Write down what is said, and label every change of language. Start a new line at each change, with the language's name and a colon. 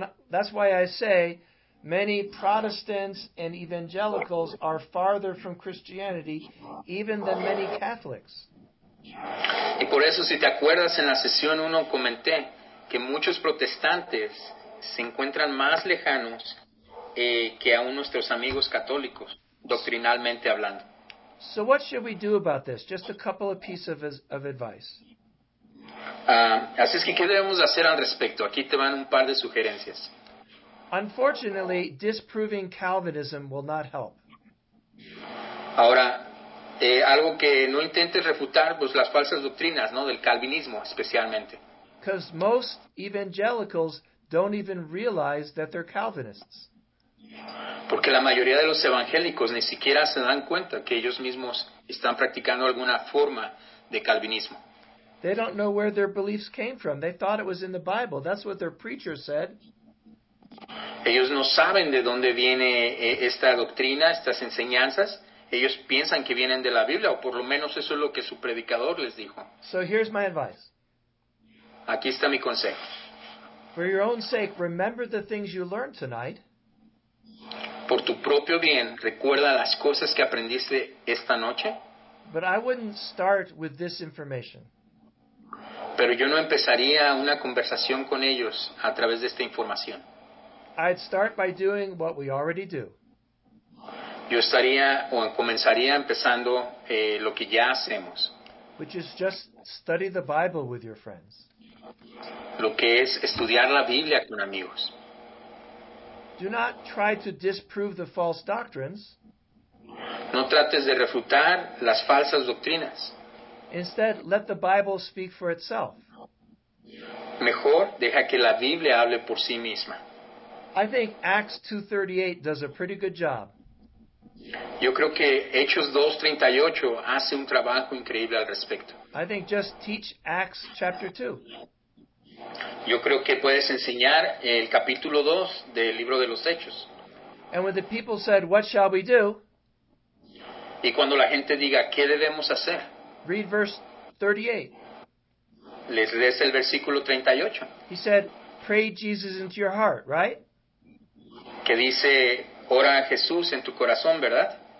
English: That's why I say many Protestants and evangelicals are farther from Christianity even than many Catholics.
Spanish: Y por eso, si te acuerdas, en la sesión 1 comenté que muchos protestantes se encuentran más lejanos que aún nuestros amigos católicos, doctrinalmente hablando.
English: So what should we do about this? Just a couple of pieces of advice.
Spanish: Así es que, ¿qué debemos hacer al respecto? Aquí te van un par de sugerencias.
English: Unfortunately, disproving Calvinism will not help.
Spanish: Ahora, algo que no intentes refutar, pues las falsas doctrinas, ¿no? Del calvinismo, especialmente.
English: Because most evangelicals don't even realize that they're Calvinists.
Spanish: Porque la mayoría de los evangélicos ni siquiera se dan cuenta que ellos mismos están practicando alguna forma de calvinismo.
English: They don't know where their beliefs came from. They thought it was in the Bible. That's what their preacher said.
Spanish: Ellos no saben de dónde viene esta doctrina, estas enseñanzas. Ellos piensan que vienen de la Biblia, o por lo menos eso es lo que su predicador les dijo.
English: So here's my advice.
Spanish: Aquí está mi consejo.
English: For your own sake, remember the things you learned tonight.
Spanish: Por tu propio bien, recuerda las cosas que aprendiste esta noche.
English: But I wouldn't start with this information.
Spanish: Pero yo no empezaría una conversación con ellos a través de esta información.
English: I'd start by doing what we already do.
Spanish: Yo estaría o comenzaría empezando lo que ya hacemos.
English: Which is just study the Bible with your friends.
Spanish: Lo que es estudiar la Biblia con amigos.
English: Do not try to disprove the false doctrines.
Spanish: No trates de refutar las falsas doctrinas.
English: Instead, let the Bible speak for itself.
Spanish: Mejor deja que la Biblia hable por sí misma.
English: I think Acts 2:38 does a pretty good job.
Spanish: Yo creo que Hechos 2:38 hace un trabajo increíble al respecto.
English: I think just teach Acts chapter 2.
Spanish: Yo creo que puedes enseñar el capítulo 2 del libro de los Hechos.
English: And when the people said, "What shall we do?"
Spanish: Y cuando la gente diga, ¿qué debemos hacer?
English: Read verse 38.
Spanish: Les lees el versículo 38.
English: He said, "Pray Jesus into your heart," right?
Spanish: Que dice, ora a Jesús en tu corazón, ¿verdad?